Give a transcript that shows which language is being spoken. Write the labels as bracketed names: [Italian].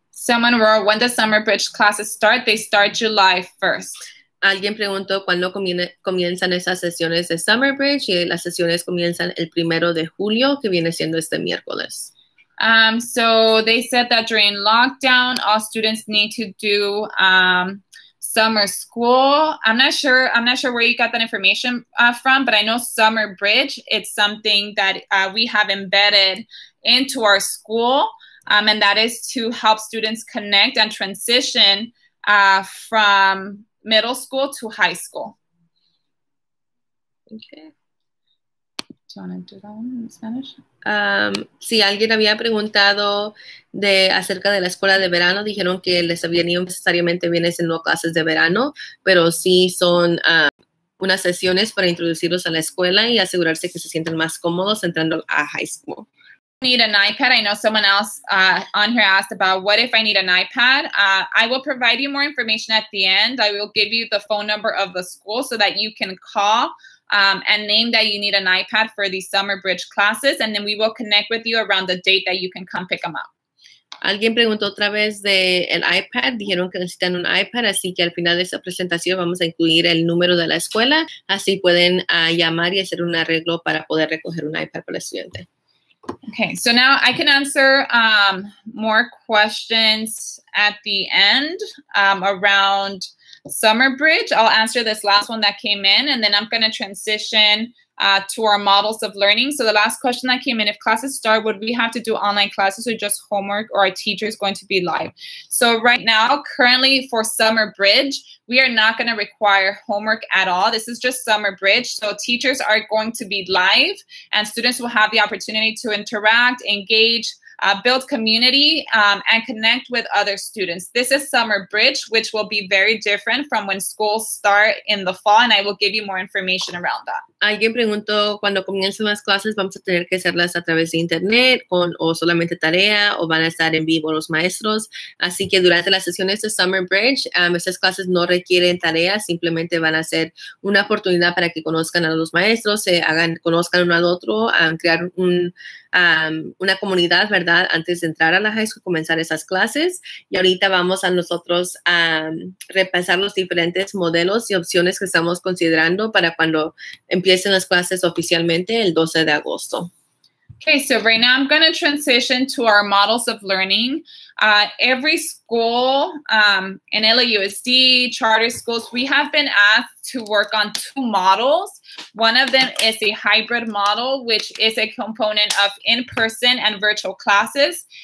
[English] Someone wrote, when the Summer Bridge classes start, they start July 1st. [Spanish] Alguien preguntó, ¿cuándo comienzan esas sesiones de Summer Bridge? Y las sesiones comienzan el primero de julio, que viene siendo este miércoles. [English] So they said that during lockdown, all students need to do summer school. I'm not sure where you got that information from, but I know Summer Bridge, it's something that we have embedded into our school. And that is to help students connect and transition from middle school to high school. Okay. Do you want to do that one in Spanish? [Spanish] Si alguien había preguntado acerca de la escuela de verano, dijeron que les habían ido necesariamente bienes en clases de verano, pero sí son unas sesiones para introducirlos a la escuela y asegurarse que se sienten más cómodos entrando a high school. [English] Need an iPad. I know someone else on here asked about what if I need an iPad. I will provide you more information at the end. I will give you the phone number of the school so that you can call and name that you need an iPad for the Summer Bridge classes, and then we will connect with you around the date that you can come pick them up. [Spanish] Alguien preguntó otra vez de el iPad. Dijeron que necesitan un iPad, así que al final de esta presentación vamos a incluir el número de la escuela. Así pueden llamar y hacer un arreglo para poder recoger un iPad para el estudiante. [English] Okay, so now I can answer more questions at the end around Summer Bridge. I'll answer this last one that came in, and then I'm going to transition to our models of learning. So the last question that came in, if classes start, would we have to do online classes or just homework, or are teachers going to be live? So right now, currently for Summer Bridge, we are not going to require homework at all. This is just Summer Bridge. So teachers are going to be live and students will have the opportunity to interact, engage, build community, and connect with other students. This is Summer Bridge, which will be very different from when schools start in the fall, and I will give you more information around that. [Spanish] Alguien preguntó, ¿cuándo comiencen las clases? ¿Vamos a tener que hacerlas a través de internet o solamente tarea, o van a estar en vivo los maestros? Así que durante las sesiones de Summer Bridge, estas clases no requieren tareas, simplemente van a ser una oportunidad para que conozcan a los maestros, conozcan uno al otro, crear una comunidad, ¿verdad? Antes de entrar a la high school, comenzar esas clases. Y ahorita vamos a nosotros a repasar los diferentes modelos y opciones que estamos considerando para cuando empiecen las clases oficialmente el 12 de agosto. [English] Okay, so right now I'm going to transition to our models of learning. Every school in LAUSD, charter schools, we have been asked to work on two models. One of them is a hybrid model, which is a component of in-person and virtual classes.